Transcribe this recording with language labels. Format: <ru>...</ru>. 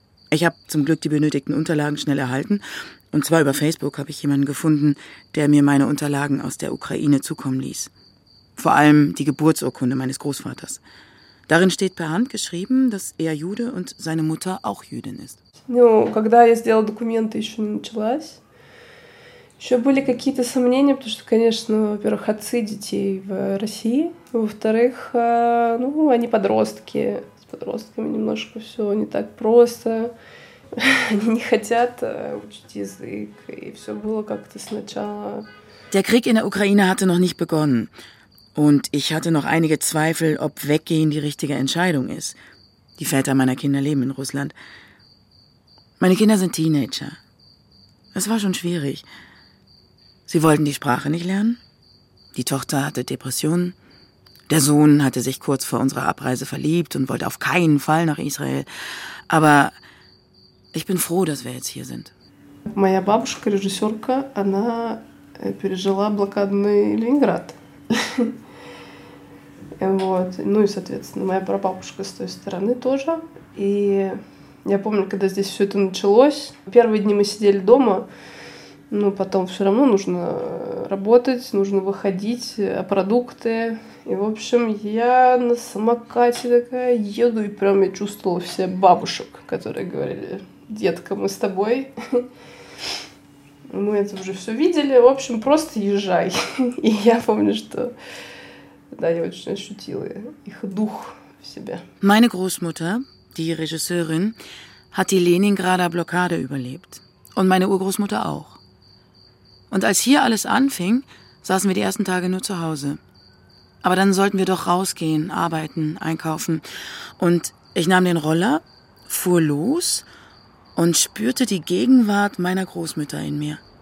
<de>Ich habe zum Glück die benötigten Unterlagen schnell erhalten. Und zwar über Facebook habe ich jemanden gefunden, der mir meine Unterlagen aus der Ukraine zukommen ließ. Vor allem die Geburtsurkunde meines Großvaters. Darin steht per Hand geschrieben, dass er Jude und seine Mutter auch Jüdin ist.</de> <ru>Ну, когда я сделала документы, еще не началась. Еще были какие-то сомнения, потому что, конечно, во-первых, отцы детей в России, во-вторых, ну, они подростки. С подростками немножко все не так просто. Они не хотят учить язык, и все было как-то сначала.</ru> <de>Der Krieg in der Ukraine hatte noch nicht begonnen. Und ich hatte noch einige Zweifel, ob Weggehen die richtige Entscheidung ist. Die Väter meiner Kinder leben in Russland. Meine Kinder sind Teenager. Es war schon schwierig. Sie wollten die Sprache nicht lernen. Die Tochter hatte Depressionen. Der Sohn hatte sich kurz vor unserer Abreise verliebt und wollte auf keinen Fall nach Israel. Aber ich bin froh, dass wir jetzt hier sind.</de> <ru>Моя бабушка, режиссёрка, она пережила блокадный Ленинград. Вот. Ну и, соответственно, моя прабабушка с той стороны тоже. И я помню, когда здесь все это началось. Первые дни мы сидели дома, но потом все равно нужно работать, нужно выходить, продукты. И, в общем, я на самокате такая еду, и прям я чувствовала все бабушек, которые говорили, детка, мы с тобой. Мы это уже все видели. В общем, просто езжай. И я помню, что да, я очень ощутила их дух в себе.</ru> <de>Meine Großmutter, die Regisseurin, hat die Leningrader Blockade überlebt. Und meine Urgroßmutter auch. Und als hier alles anfing, saßen wir die ersten Tage nur zu Hause. Aber dann sollten wir doch rausgehen, arbeiten, einkaufen. Und ich nahm den Roller, fuhr los und spürte die Gegenwart meiner Großmütter in mir.</de>